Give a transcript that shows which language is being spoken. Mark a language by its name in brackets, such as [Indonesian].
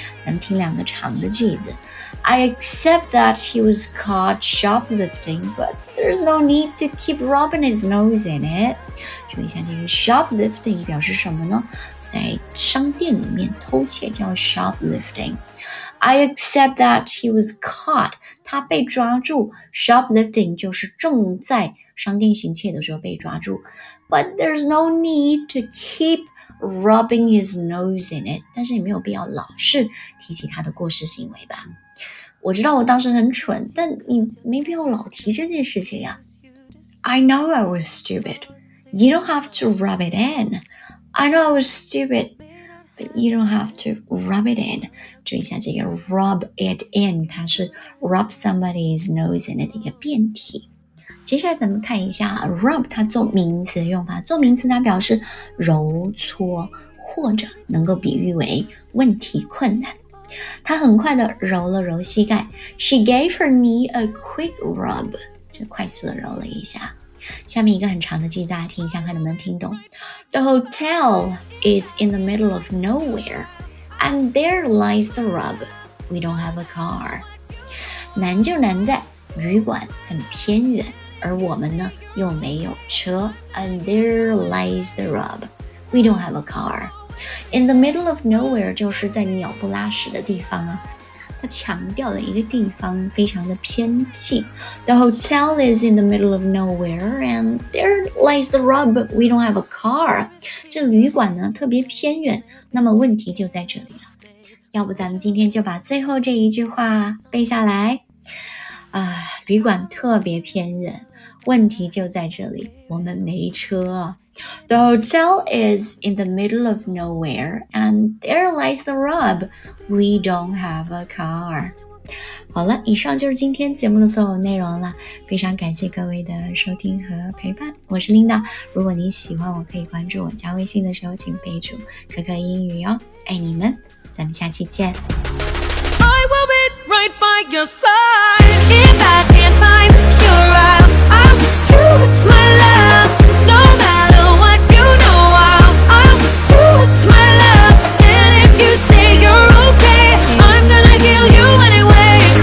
[Chinese] 咱们听两个长的句子 [English] ：I accept that he was caught shoplifting, but there's no need to keep rubbing his nose in it。 [Chinese] 注意一下，这个 shoplifting 表示什么呢？在商店里面偷窃叫 shoplifting。 [English] I accept that he was caught， [Chinese] 他被抓住， shoplifting 就是正在商店行窃的时候被抓住。 [English] But there's no need to keep rubbing his nose in it， [Chinese] 但是也没有必要老是提起他的过失行为吧。我知道我当时很蠢，但你没必要老提这件事情呀。 [English] I know I was stupid， you don't have to rub it inI know I was stupid, but you don't have to rub it in. [Chinese] 注意一下这个 rub it in， 它是 rub somebody's nose in 的一个变体。接下来咱们看一下 rub 它做名词的用法。做名词它表示揉搓，或者能够比喻为问题困难。她很快地揉了揉膝盖。 [English] She gave her knee a quick rub， [Chinese] 就快速地揉了一下。下面一个很长的句子，大家听一下，看能不能听懂。 [English] The hotel is in the middle of nowhere, and there lies the rub. We don't have a car. [Chinese] 难就难在旅馆很偏远，而我们呢又没有车。 [English] And there lies the rub. We don't have a car. In the middle of nowhere [Chinese] 就是在鸟不拉屎的地方啊。他强调的一个地方非常的偏僻。 [English] The hotel is in the middle of nowhere, and there lies the rub. We don't have a car. [Chinese] 这旅馆呢特别偏远，那么问题就在这里了。要不咱们今天就把最后这一句话背下来。旅馆特别偏远，问题就在这里，我们没车。 [English] The hotel is in the middle of nowhere, and there lies the rub. We don't have a car. [Chinese] 好了，以上就是今天节目的所有内容了，非常感谢各位的收听和陪伴，我是 Linda， 如果你喜欢我可以关注我，加微信的时候请备注可可英语哦，爱你们，咱们下期见。 [English] I will be right by your side. If I can't find your eye, I'll put you with my love. No matter what you know, I'll put you with my love. And if you say you're okay, I'm gonna heal you anyway.